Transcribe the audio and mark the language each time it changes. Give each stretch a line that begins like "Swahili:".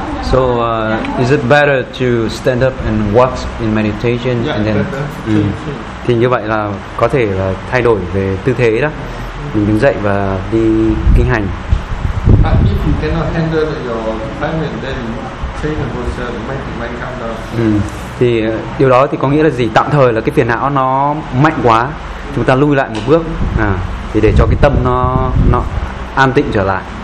English: So is it better to stand up and walk in meditation? Yeah, and then
Vietnamese: thì như vậy là có thể là thay đổi về tư thế đó. Mình đứng dậy và đi kinh hành.
English: But if you cannot handle your climate, then change the posture, might come down.
Vietnamese: Thì điều đó thì có nghĩa là gì? Tạm thời là cái phiền não nó mạnh quá, chúng ta lùi lại một bước à, thì để cho cái tâm nó an tĩnh trở lại.